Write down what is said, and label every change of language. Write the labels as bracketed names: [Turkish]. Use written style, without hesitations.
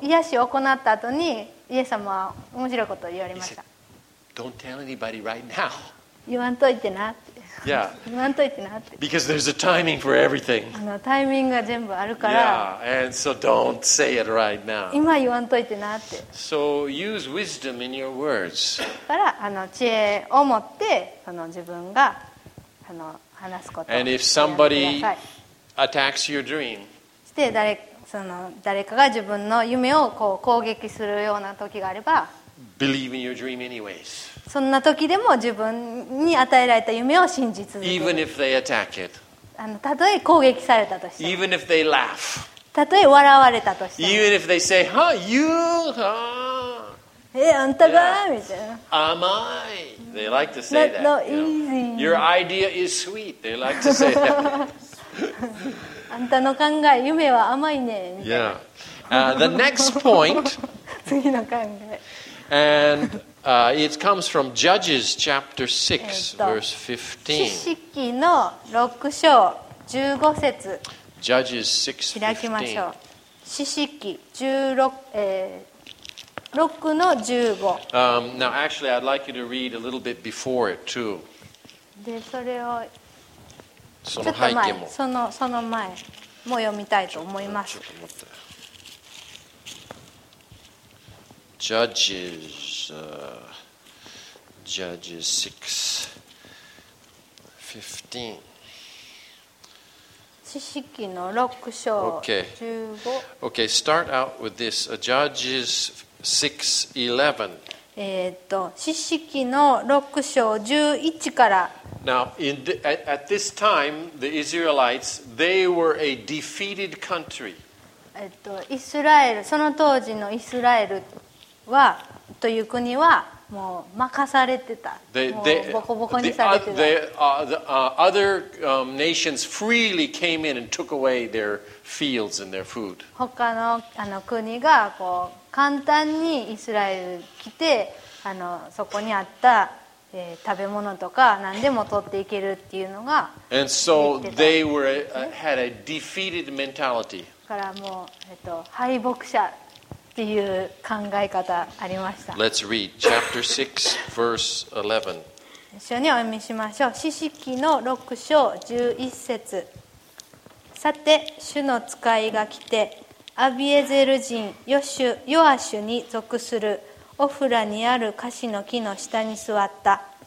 [Japanese] 癒しを行った後にイエス様は面白いことを言われました。 [English] said, Don't tell anybody right now. [Japanese] 言わんといてなって、 yeah. 言わんといてなって、 [English] Because there's a timing for everything. [Japanese] タイミングが全部あるから、 yeah. [English] And so don't say it right now. [Japanese] 今言わんといてなって。 [English] So use wisdom in your words. [Japanese] だから知恵を持って自分が話すこと。 [English] And if somebody attacks your dream, [Japanese] して誰かが自分の夢をこう攻撃するような時があれば、 [English] Believe in your dream anyways. [Japanese] そんな時でも自分に与えられた夢を信じ続ける。 [English] Even if they attack it. [Japanese] たとえ攻撃されたとしても [English] 。 Even if they laugh. [Japanese] たとえ笑われたとしても。 [English] Even if they say, huh, you, huh. [Japanese] あんたがみたいな。甘い。 [English] They like to say that. Not easy. Your idea is sweet. They like to say that. [Japanese] あんたの考え、夢は甘いね。 [English] Yeah. The next point. [Japanese] 次の考え。 [English] And it comes from Judges chapter 6, verse 15. [Japanese] 出席の6章15節。 [English] Judges 6, 15. [Japanese] 開きましょう。出席16、6の15。 [English] Now, actually, I'd like you to read a little bit before it too. [Japanese] で、それをちょっと前、その背景も、その前も読みたいと思います。 [English] Judges, Judges 6:15. [Japanese] 出席の6章15。 [English] Okay, start out with this. Judges 6:11. [Japanese] 出席の6章11から。 [English] Now, at this time, the Israelites, they were a defeated country. [Japanese] イスラエル、その当時のイスラエルはという国はもう負かされてた。もうボコボコにされてた。 [English] Other nations freely came in and took away their fields and their food. [Japanese] 他の国がこう簡単にイスラエル来て、そこにあった、食べ物とか何でも取っていけるっていうのが、 [English] And so they were had a defeated mentality. [Japanese] からもう、敗北者っていう考え方ありました。 [English] Let's read chapter 6, verse [Japanese] 11. 一緒にお読みしましょう。詩式の6章11節。さて、主の使いが来て、アビエゼル人ヨアシュに属するオフラにあるカシの木の下に座った。